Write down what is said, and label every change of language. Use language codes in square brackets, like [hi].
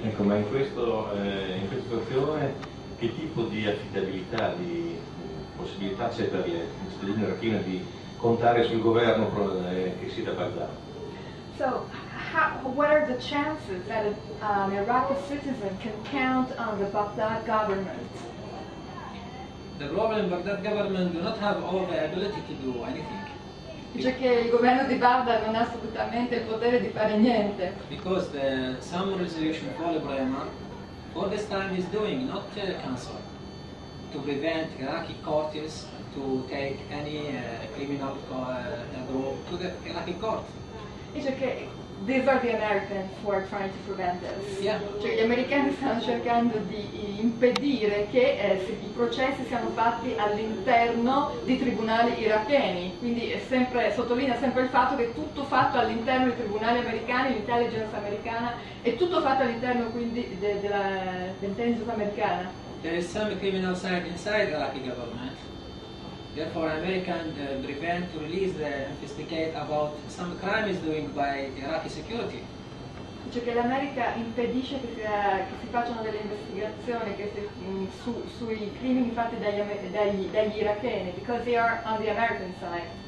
[it] Ecco, ma in questa situazione che tipo di affidabilità, di possibilità c'è per le cittadine irachene di contare sul governo che si da Baghdad? [en] So, what are the chances that an Iraqi citizen can count on the Baghdad government? The problem, Baghdad government do not have all the ability to do anything. [it] Dice che il governo di Baghdad non ha assolutamente il potere di fare niente. [en] Because the summer resolution called Brema, all this time is doing, not cancel, to prevent Iraqi courtiers to take any criminal group to the Iraqi court. [it] Dice che [en] these are the Americans who are trying to prevent this. Yeah. [it] Cioè gli americani stanno cercando di impedire che i processi siano fatti all'interno di tribunali iracheni. Quindi sottolinea sempre il fatto che tutto fatto all'interno dei tribunali americani, l'intelligence americana, è tutto fatto all'interno quindi dell'intelligence americana. [en] There is some criminal side inside the Iraqi government. Therefore, Americans prevent to release the investigate about some crime is doing by Iraqi security. [it] Cioè che l'America impedisce che si facciano delle investigazioni sui crimini fatti dagli iracheni, [en] because they are on the American side.